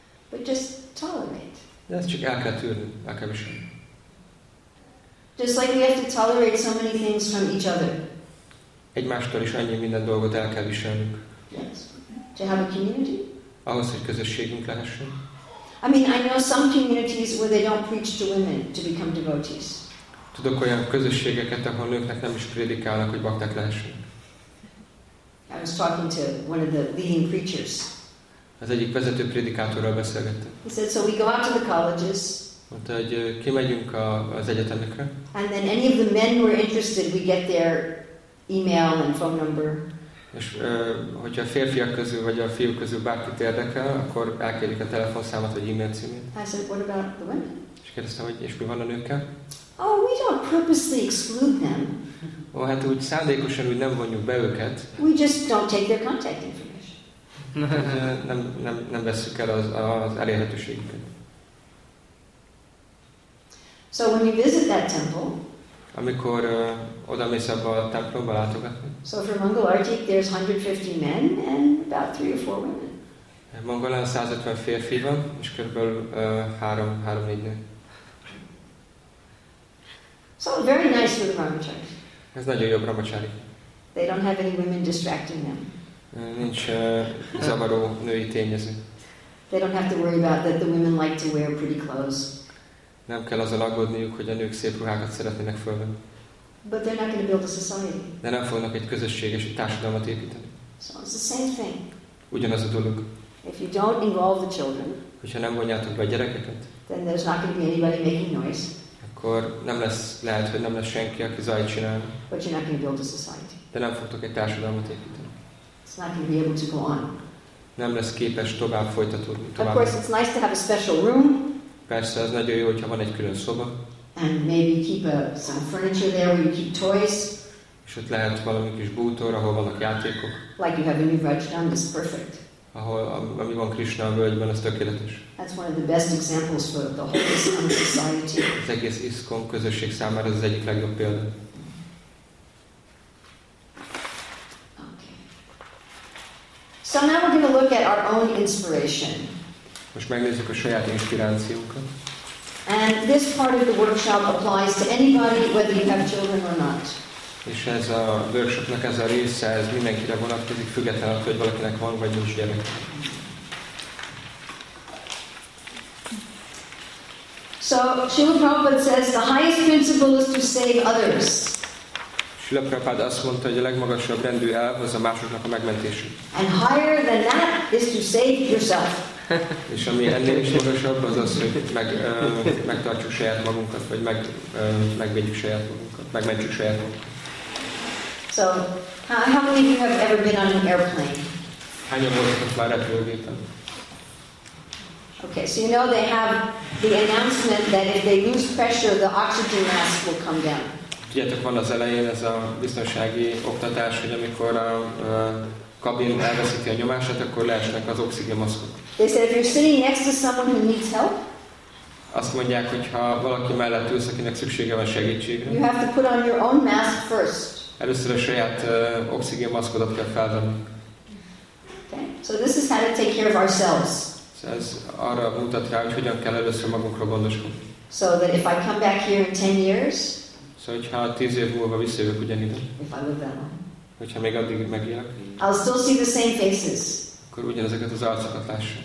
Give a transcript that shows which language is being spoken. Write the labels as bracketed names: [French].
[English] But just tolerate. [Hungarian] De ezt csak el kell tűrni, el kell viselni. [English] Just like we have to tolerate so many things from each other. [Hungarian] Egymástól is annyi minden dolgot el kell viselnünk. [English] Yes. To have a community. [Hungarian] Ahhoz, hogy közösségünk lehessen. [English] I mean, I know some communities where they don't preach to women to become devotees. [Hungarian] Tudok olyan közösségeket, ahol nőknek nem is prédikálnak, hogy bakták lehessenek. [English] I was talking to one of the leading preachers. [Hungarian] Az egyik vezető prédikátorral beszélgettem. [English] He said, so we go out to the colleges. [Hungarian] Mondta, hogy kimegyünk az egyetemekre. [English] And then any of the men who are interested, we get their email and phone number. [Hungarian] És hogyha a férfiak közül, vagy a fiúk közül bárkit érdekel, akkor elkérjük a telefonszámot, vagy e-mail címét. [English] I said, what about the women? [Hungarian] És kérdeztem, hogy és mi van a nőkkel? [English] Oh, we don't purposely exclude them. [Hungarian] Ó, hát úgy szándékosan úgy nem vonjuk be őket. [English] We just don't take their contact information. [Hungarian] nem veszük el az elérhetőségüket. [English] So when you visit that temple, [Hungarian] amikor oda mész abba a templomba látogatni. [English] So for Mangalarctic there's 150 men and about 3 or 4 women. [Hungarian] Mangalán 150 férfi van, és körülbelül 3-4 nő. [English] So very nice for the Brahmacharis. [Hungarian] Ez nagyon jó Brahmacharik. [English] They don't have any women distracting them. [Hungarian] Nincs zavaró női tényező. [English] They don't have to worry about that the women like to wear pretty clothes. [Hungarian] Nem kell azzal aggódniuk, hogy a nők szép ruhákat szeretnének fölvenni. [English] But they're not going to build a society. [Hungarian] De nem fognak egy közösséges társadalmat építeni. [English] So it's the same thing. [Hungarian] Ugyanaz a dolog. [English] If you don't involve the children, [Hungarian] hogyha nem vonjátok be a gyerekeket, [English] then there's not going to be anybody making noise. [Hungarian] Akkor nem lesz, lehet, hogy nem lesz senki, aki zajt csinál. [English] But you're not going to build a society. [Hungarian] De nem fogtok egy társadalmat építeni. [English] It's not going to be able to go on. [Hungarian] Nem lesz képes tovább folytatódni. Tovább. [English] Of course, it's nice to have a special room. [Hungarian] Persze, az nagyon jó, hogyha van egy külön szoba. [English] And maybe keep some furniture there where you keep toys. [Hungarian] És ott lehet valami kis bútor, ahol vannak játékok. [English] Like you have a new Vajradhan, that's perfect. [Hungarian] Ahol, ami van Krishna a völgyben, az tökéletes. [English] That's one of the best examples for the whole Iskcon society. [Hungarian] Az egész Iskcon közösség számára az egyik legjobb példa. [English] Okay. So now we're going to look at our own inspiration. [Hungarian] Most megnézzük a saját inspirációkat. [English] And this part of the workshop applies to anybody, whether you have children or not. [Hungarian] És ez a workshopnak ez a része, ez mindenkire vonatkozik, függetlenül attól, hogy valakinek van vagy nincs gyerek. [English] So Srila Prabhupada says the highest principle is to save others. [Hungarian] Srila Prabhupada azt mondta, hogy a legmagasabb rendű elv az a másoknak a megmentése. [English] And higher than that is to save yourself. [Hungarian] És ami ennél is magasabb, az az, hogy megtartsuk saját magunkat, vagy megvédjük saját magunkat, megmentsük saját magunkat. [English] So, how many of you have ever been on an airplane? [Hungarian] Hányan voltak már repülőgépen? [English] Okay, so you know they have the announcement that if they lose pressure, the oxygen mask will come down. [Hungarian] Tudjátok, van az elején ez a biztonsági oktatás, hogy amikor a kabin elveszíti a nyomását, akkor leesnek az oxigénmaszkok. [English] They said if you're sitting next to someone who needs help. [Hungarian] Azt mondják, hogy ha valaki mellett ülsz, akinek szüksége van segítségre. [English] You have to put on your own mask first. [Hungarian] Először a saját oxigénmaszkodat kell felvenni. [English] Okay. So this is how to take care of ourselves. [Hungarian] Szóval ez arra mutat rá, hogy hogyan kell először magunkra gondoskodni. [English] So that if I come back here in 10 years. [Hungarian] Szóval, hogyha 10 év múlva visszajövök ugyanide. [English] If I live that long. [Hungarian] Hogyha még addig megélek. [English] I'll still see the same faces. [Hungarian] Akkor ugyanezeket az arcokat lássa.